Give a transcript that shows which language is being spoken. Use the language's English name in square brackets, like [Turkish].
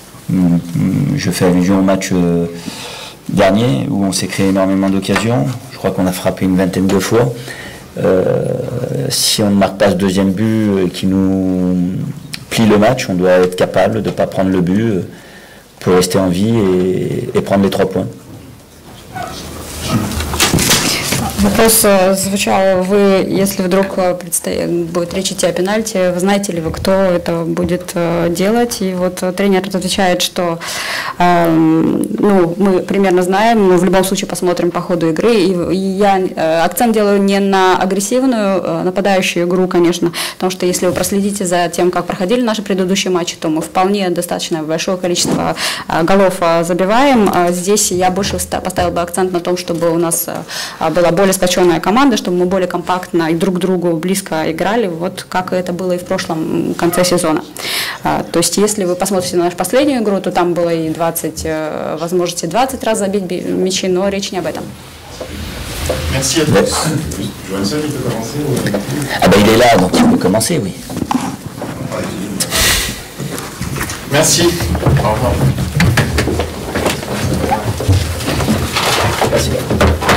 [French] Je fais allusion au match dernier, où on s'est créé énormément d'occasions. Je crois qu'on a frappé une vingtaine de fois. Si on ne marque pas ce deuxième but qui nous plie le match, on doit être capable de ne pas prendre le but pour rester en vie et prendre les trois points. [Russian] Вопрос звучал, вы, если вдруг будет речь идти о пенальти, вы знаете ли вы, кто это будет делать? И вот тренер отвечает, что мы примерно знаем, но в любом случае посмотрим по ходу игры. И я акцент делаю не на агрессивную нападающую игру, конечно, потому что если вы проследите за тем, как проходили наши предыдущие матчи, то мы вполне достаточно большое количество голов забиваем. Здесь я больше поставил бы акцент на том, чтобы у нас была более скачённая команда, чтобы мы более компактно и друг другу близко играли, вот как это было и в прошлом конце сезона. То есть, если вы посмотрите на нашу последнюю игру, то там было и 20, возможности 20 раз забить мячи, но речь не об этом. [French] Merci à tous. Johansson, vous pouvez commencer? Ah, il est là, donc vous pouvez commencer, oui. Merci. Au revoir. Merci.